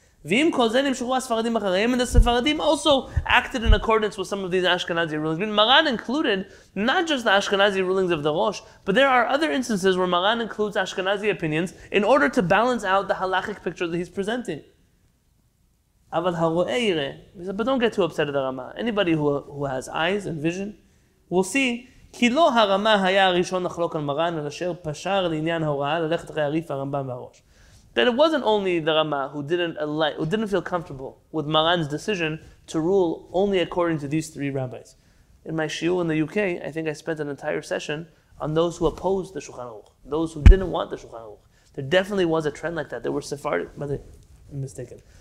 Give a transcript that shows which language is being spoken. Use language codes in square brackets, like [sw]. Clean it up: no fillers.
[he] V'im kol zeh nimshechu ha-sfaradim achareihem, [en] and the Sephardim also acted in accordance with some of these Ashkenazi rulings. I mean, Maran included not just the Ashkenazi rulings of the Rosh, but there are other instances where Maran includes Ashkenazi opinions in order to balance out the halachic picture that he's presenting. [he] אבל הרואה יראה, [en] he said, but don't get too upset at the Rama. Anybody who has eyes and vision will see, [he] כי לא הרמה היה הראשון לחלוק על מרן, אלא אשר פשר לעניין ההוראה ללכת אחרי הריף הרמב״ם והראש. [en] That it wasn't only the Rama who didn't feel comfortable with Maran's decision to rule only according to these three rabbis. In my shiur in the UK, I think I spent an entire session on those who opposed the Shulchan Aruch, those who didn't want the Shulchan Aruch. There definitely was a trend like that. There were Sephardic, but they, I'm mistaken.